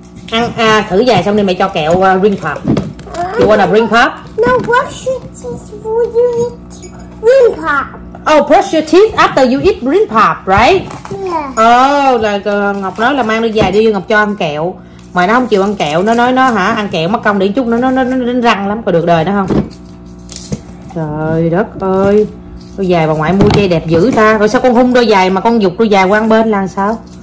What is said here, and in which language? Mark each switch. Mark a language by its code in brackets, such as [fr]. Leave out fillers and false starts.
[vi] Ăn à, thử dài xong đi mẹ cho kẹo ring pop. [en] You want a ring pop? No, brush your teeth before you eat ring pop. Oh, brush your teeth after you eat ring pop, right? Yeah. [vi] Oh, là Ngọc nói là mang đi dài đi Ngọc cho ăn kẹo. Mà nó không chịu ăn kẹo, nó nói nó hả, ăn kẹo mất công để chút nó đánh răng lắm, có được đời nó không? Trời đất ơi. Đôi giày bà ngoại mua chay đẹp dữ ta. Rồi sao con hung đôi giày mà con giục đôi giày qua bên là sao?